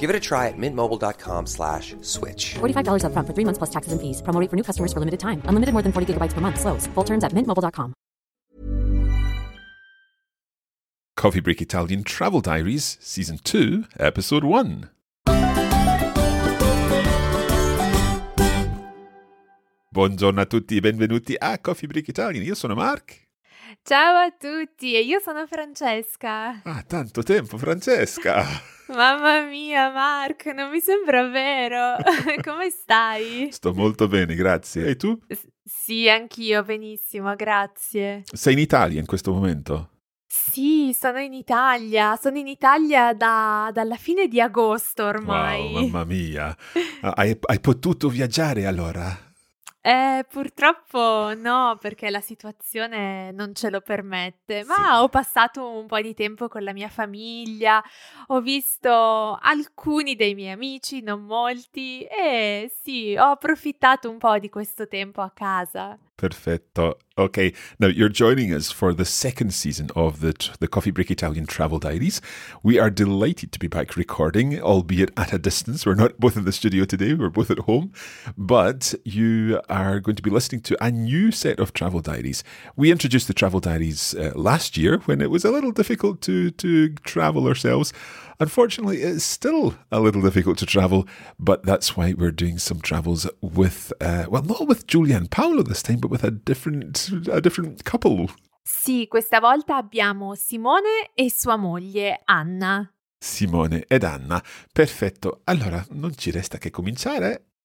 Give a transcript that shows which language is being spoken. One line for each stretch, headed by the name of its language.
English: Give it a try at mintmobile.com/switch. $45 up front for 3 months plus taxes and fees. Promo rate for new customers for limited time. Unlimited more than 40 gigabytes per month. Slows full terms at mintmobile.com. Coffee Break Italian Travel Diaries, Season 2, Episode 1.
Italian: Buongiorno a tutti e benvenuti a Coffee Break Italian. Io sono Mark. Ciao a tutti, e io sono Francesca. Ah, tanto tempo, Francesca! Mamma mia, Mark, non mi sembra vero. Come stai? Sto molto bene, grazie. E tu? Sì, anch'io, benissimo, grazie. Sei in Italia in questo momento? Sì, sono in Italia. Sono in Italia dalla fine di agosto ormai. Wow, mamma mia. Hai potuto viaggiare allora? Purtroppo no, perché la situazione non ce lo permette, ma sì. Ho passato un po' di tempo con la mia famiglia, ho visto alcuni dei miei amici, non molti, e sì, ho approfittato un po' di questo tempo a casa. Perfetto.
English: Okay, now you're joining us for the second season of the Coffee Break Italian Travel Diaries. We are delighted to be back recording, albeit at a distance. We're not both in the studio today, we're both at home. But you are going to be listening to a new set of travel diaries. We introduced the travel diaries last year when it was a little difficult to travel ourselves. Unfortunately, it's still a little difficult to travel, but that's why we're doing some travels with, well, not with Giulia and Paolo this time, but with a different couple.
Italian: Sì, questa volta abbiamo Simone e sua moglie, Anna. Simone ed Anna. Perfetto. Allora, non ci resta che cominciare.